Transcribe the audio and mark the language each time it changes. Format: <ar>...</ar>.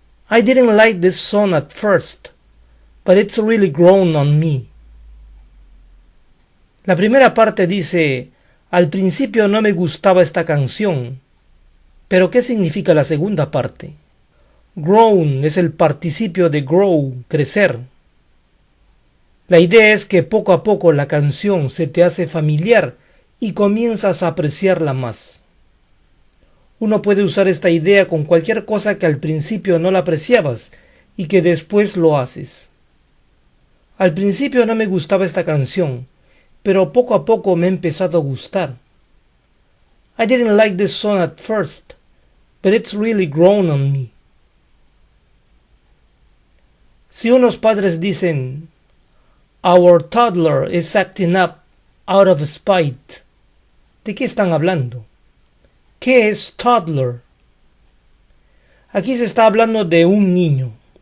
<en>I didn't like this song at first, but it's really grown on me.</en> <es>La primera parte dice, al principio no me gustaba esta canción. ¿Pero qué significa la segunda parte? Grown es el participio de grow, crecer. La idea es que poco a poco la canción se te hace familiar y comienzas a apreciarla más. Uno puede usar esta idea con cualquier cosa que al principio no la apreciabas y que después lo haces. Al principio no me gustaba esta canción, pero poco a poco me ha empezado a gustar.</es> <en>I didn't like this song at first, but it's really grown on me.</en> <es>Si unos padres dicen,</es> <en>our toddler is acting up out of spite,</en> <es>¿de qué están hablando? ¿Qué es toddler? Aquí se está hablando de un niño.</es>